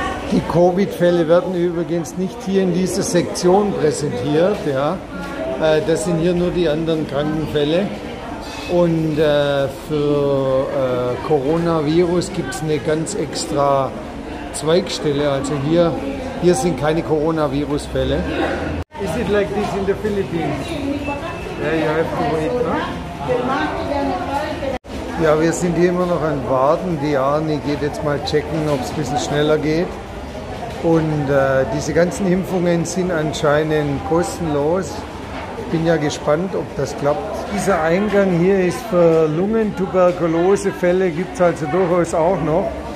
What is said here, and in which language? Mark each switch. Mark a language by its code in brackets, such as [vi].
[de] Die Covid-Fälle werden übrigens nicht hier in dieser Sektion präsentiert. Ja. Das sind hier nur die anderen Krankenfälle. Und für Coronavirus gibt es eine ganz extra Zweigstelle. Also hier sind keine Coronavirus-Fälle. [en] Is it like this in the Philippines? Yeah, you have to wait, huh? [de] Ja, wir sind hier immer noch am Warten. Die Arne geht jetzt mal checken, ob es ein bisschen schneller geht. Und diese ganzen Impfungen sind anscheinend kostenlos. Ich bin ja gespannt, ob das klappt. Dieser Eingang hier ist für Lungentuberkulosefälle, gibt es also durchaus auch noch.